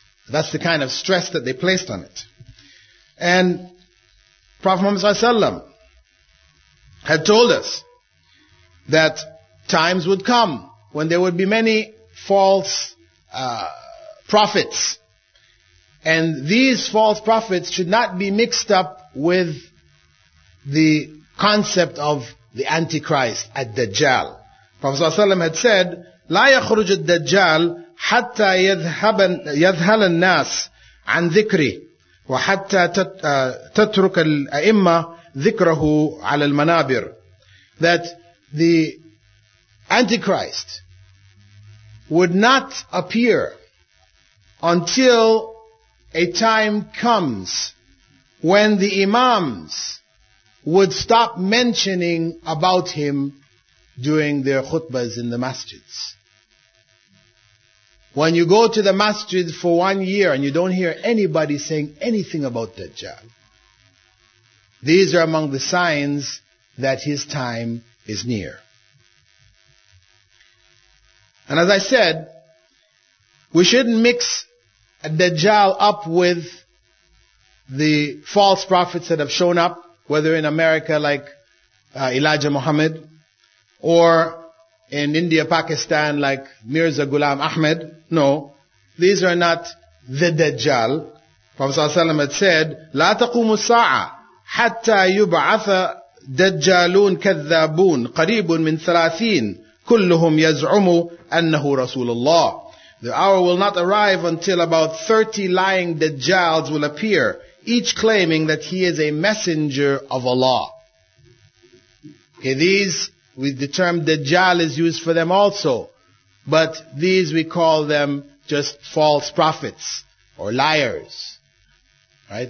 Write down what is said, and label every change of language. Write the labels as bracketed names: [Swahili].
[English] That's the kind of stress that they placed on it. And Prophet Muhammad ﷺ had told us that times would come when there would be many false prophets. And these false prophets should not be mixed up with the concept of the Antichrist, Ad-Dajjal. Prophet ﷺ had said, [Arabic] لا يخرج الدجال حتى يذهل الناس عن ذكري وحتى تترك الأئمة ذكره على المنابر. [English] That the Antichrist would not appear until a time comes when the Imams would stop mentioning about him during their khutbahs in the masjids. When you go to the masjid for 1 year and you don't hear anybody saying anything about Dajjal, these are among the signs that his time is near. And as I said, we shouldn't mix Dajjal up with the false prophets that have shown up, whether in America like Elijah Muhammad, or in India, Pakistan like Mirza Ghulam Ahmed. No, these are not the Dajjal. Prophet ﷺ had said, [Arabic] لا تقوم الساعة حتى يبعث دجالون كذابون قريب من ثلاثين كلهم يزعموا أنه رسول الله. [English] The hour will not arrive until about 30 lying Dajjals will appear, each claiming that he is a messenger of Allah. Okay, these, with the term Dajjal is used for them also, but these we call them just false prophets or liars, right?